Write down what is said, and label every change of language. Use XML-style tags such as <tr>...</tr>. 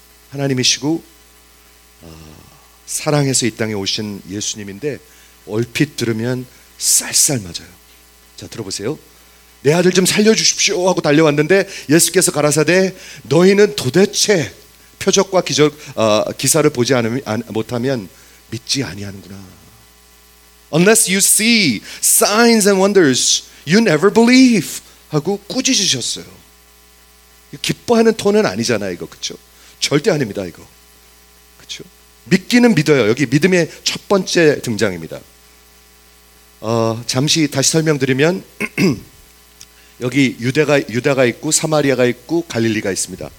<ko>하나님이시고 사랑해서 이 땅에 오신 예수님인데 얼핏 들으면 쌀쌀맞아요. 자, 들어보세요. 내 아들 좀 살려주십시오 하고 달려왔는데 예수께서 가라사대 너희는 도대체 표적과 기사를 보지 못하면 믿지 아니하는구나.</ko> <en>Unless you see signs and wonders, you never believe.</en> <ko>하고 꾸짖으셨어요. 기뻐하는 톤은 아니잖아요, 이거. 그쵸? 절대 아닙니다, 이거. 그쵸? 믿기는 믿어요. 여기 믿음의 첫 번째 등장입니다. 잠시 다시 설명드리면, 여기 유다가 있고, 사마리아가 있고, 갈릴리가 있습니다.</ko>